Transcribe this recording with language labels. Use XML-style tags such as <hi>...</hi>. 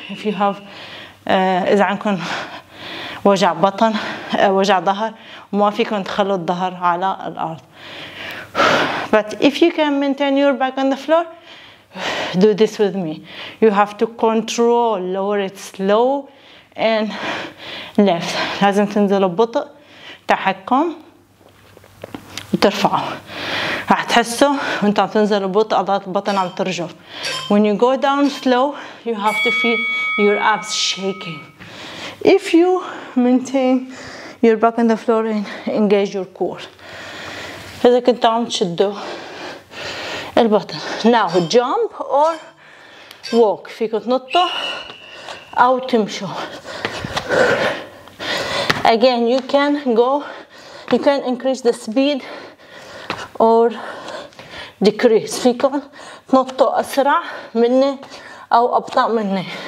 <en>If you have,</en> <ar>إذا عندكم وجع بطن, وجع ظهر, وما فيكم تخلوا الظهر على الأرض.</ar> <en>But if you can maintain your back on the floor, do this with me. You have to control, lower it slow and lift.</en> <ar>لازم تنزلوا ببطء, تحكم, وترفعوا. راح تحسوا وانت عم تنزلوا ببطء عضلات البطن عم ترجف.</ar> <en>When you go down slow, you have to feel your abs shaking. If you maintain your back on the floor and engage your core.</en> <ar>إذا كنت عم تشدوا البطن.</ar> <en>Now jump or walk.</en> <ar>فيكم تنطوا أو تمشوا.</ar> <en>Again, you can go, you can increase the speed or decrease.</en> <ar>فيكم تنطوا أسرع مني أو أبطأ مني.</ar>